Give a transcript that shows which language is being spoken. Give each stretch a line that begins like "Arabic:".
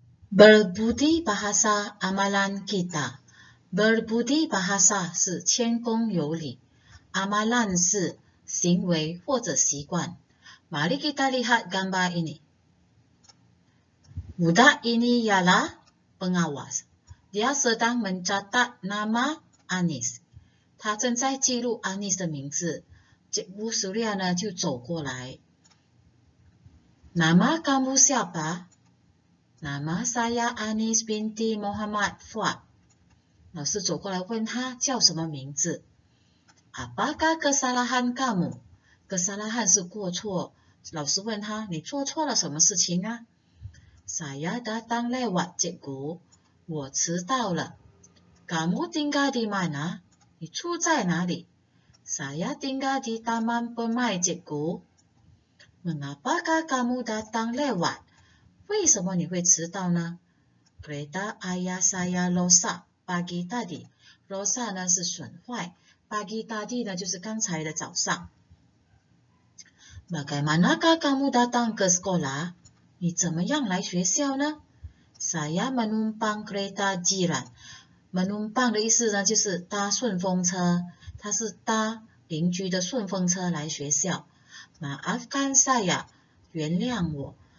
Malay: Berbudi bahasa amalan kita.
Chinese: Berbudi bahasa 是谦恭有礼，amalan 是行为或者习惯。
Malay: Mari kita lihat gambar ini. Budak ini ialah pengawas. Dia sedang mencatat nama Anis.
Chinese: 他正在记录 Anis 的名字。这乌苏利亚呢就走过来。
Malay: Nama kamu siapa? Nama saya Anis binti Muhammad Fuad.
Chinese: 老师走过来问他叫什么名字。
Malay: Apakah kesalahan kamu?
Chinese: Kesalahan 是过错。老师问他，你做错了什么事情啊？
Malay: Saya datang lewat cikgu.
Chinese: 我迟到了。
Malay: Kamu tinggal di mana?
Chinese: 你住在哪里？
Malay: Saya tinggal di taman permai cikgu. Mengapakah kamu datang lewat?
Chinese: 为什么你会迟到呢？
Malay: Kereta ayah saya rosak pagi tadi.
Chinese: Rosak 呢是损坏，pagi tadi 呢就是刚才的早上。
Malay: Bagaimanakah kamu datang ke sekolah?
Chinese: 你怎么样来学校呢？
Malay: Saya menumpang kereta jiran.
Chinese: Menumpang 的意思呢就是搭顺风车，它是搭。邻居的顺风车来学校。
Malay: Maafkan saya,
Chinese: 原谅我。